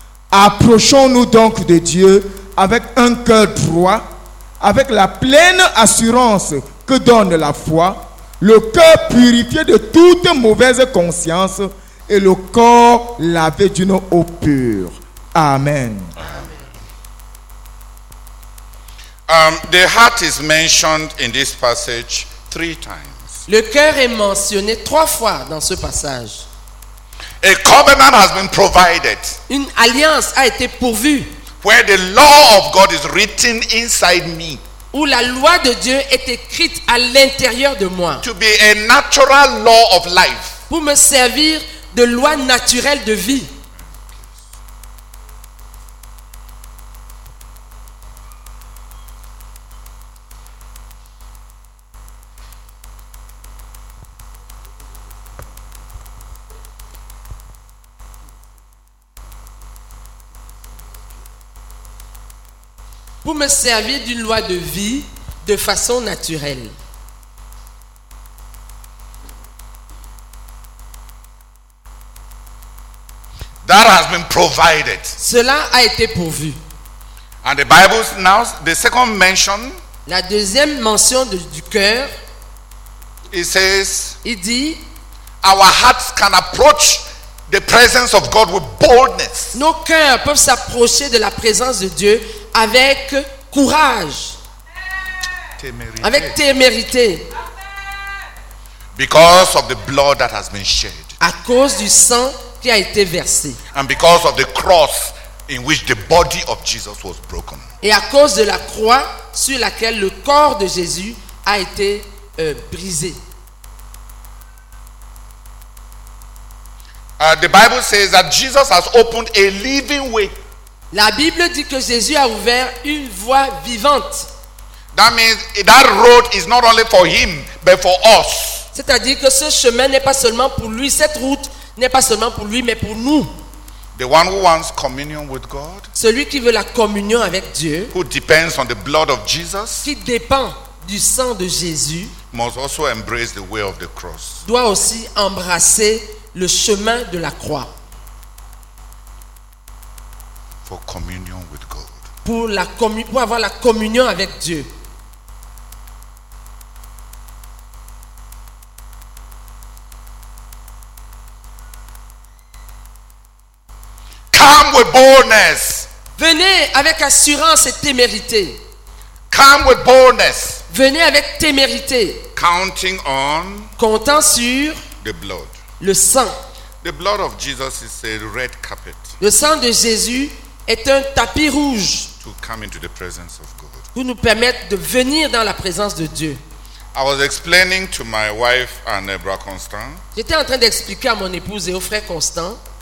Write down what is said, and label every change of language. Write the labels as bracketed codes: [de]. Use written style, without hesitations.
[fr] Approchons-nous donc de Dieu avec un cœur droit, avec la pleine assurance que donne la foi, le cœur purifié de toute mauvaise conscience et le corps lavé d'une eau pure. Amen. [en] The heart is mentioned in this passage three times. [fr] Le cœur est mentionné trois fois dans ce passage. [en] A covenant has been provided. [fr] Une alliance a été pourvue. [en] Where the law of God is written inside me. [fr] Où la loi de Dieu est écrite à l'intérieur de moi. [en] To be a natural law of life. [fr] Pour me servir de loi naturelle de vie. pour me servir d'une loi de vie de façon naturelle. [en] That has been provided. [fr] Cela a été pourvu. [en] And the Bible now, the second mention, [fr] la deuxième mention de, du cœur, [en] it says, [fr] il dit, [en] our hearts can approach the presence of God with boldness. [fr] Nos cœurs peuvent s'approcher de la présence de Dieu avec courage. Témérité. Avec témérité. [en] Because of the blood that has been shed. [fr] À cause du sang qui a été versé. [en] And because of the cross in which the body of Jesus was broken. [fr] Et à cause de la croix sur laquelle le corps de Jésus a été brisé. [en] The Bible says that Jesus has opened a living way. [fr] La Bible dit que Jésus a ouvert une voie vivante. [en] That means that road is not only for him, but for us. [fr] C'est-à-dire que ce chemin n'est pas seulement pour lui, cette route n'est pas seulement pour lui, mais pour nous. [en] The one who wants communion with God. [fr] Celui qui veut la communion avec Dieu. [en] Who depends on the blood of Jesus. [fr] Qui dépend du sang de Jésus. [en] Must also embrace the way of the cross. [fr] Doit aussi embrasser le chemin de la croix. [en] For communion with God. [fr] Pour avoir la communion avec Dieu. [en] Come with boldness. [fr] Venez avec assurance et témérité. [en] Come with boldness. [fr] Venez avec témérité. [en] Counting on. [fr] Comptant sur. [en] The blood. [fr] Le sang. [en] The blood of Jesus is a red carpet. [fr] Le sang de Jésus est un tapis rouge. [en] To come into the presence of God. [fr] Pour nous permettre de venir dans la présence de Dieu. [en] I was explaining to my wife and brother Constant. [fr] J'étais en train d'expliquer à mon épouse et au frère Constant.